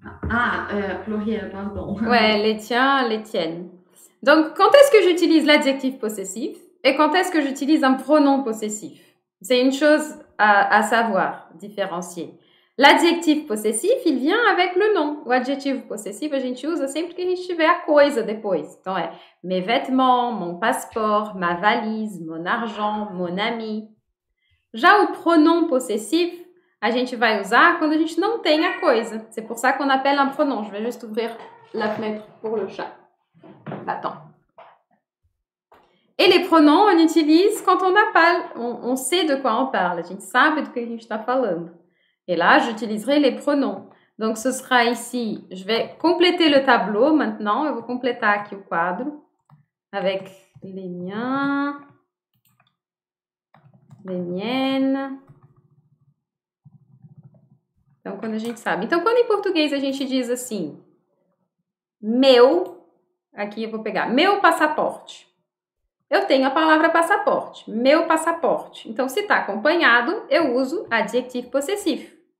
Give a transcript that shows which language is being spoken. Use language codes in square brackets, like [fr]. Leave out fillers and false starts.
[fr] Ah, pluriel, pardon. Ouais, les tiens, les tiennes. Donc, quand est-ce que j'utilise l'adjectif possessif et quand est-ce que j'utilise un pronom possessif? C'est une chose à savoir, différencier. L'adjectif possessif, il vient avec le nom. [pt] O adjetivo possessivo, a gente usa sempre que a gente tiver a coisa depois. Então, é [fr] mes vêtements, mon passeport, ma valise, mon argent, mon ami. [pt] Já o pronom possessif, a gente vai usar quando a gente não tem a coisa. [fr] C'est pour ça qu'on appelle un pronom. Je vais juste ouvrir la fenêtre pour le chat. Attends. Et les pronoms, on utilise quand on n'a pas, on sait de quoi on parle. [pt] A gente sabe do que a gente está falando. [fr] Et là, j'utiliserai les pronoms. Donc, ce sera ici. Je vais compléter le tableau maintenant. Je vais compléter ici le quadro avec les miens, les miennes. Donc, quand [pt] a gente sabe. Então, [fr] quand en portugais, [pt] a gente diz assim: meu, aqui eu vou pegar, meu passaporte. Eu tenho a palavra passaporte. Meu passaporte. Então, se está acompanhado, eu uso adjetivo possessivo.